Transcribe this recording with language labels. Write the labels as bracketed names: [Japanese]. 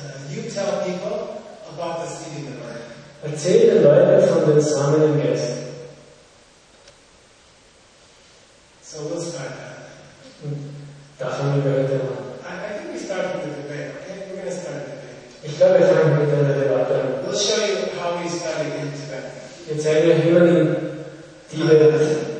[English] You tell people about the seed in the bread. [German] Erzähl den Leuten von den Samen im Geist. [English] So let's start that. [German] Da fangen wir heute an. [English] I think we start with the debate, okay? We're going to start with the debate. [German] Ich glaube, wir fangen mit einer Debatte an. [English] We'll show you how we study in Tibet. [German] Wir zeigen euch, wie man in Tibet lernt.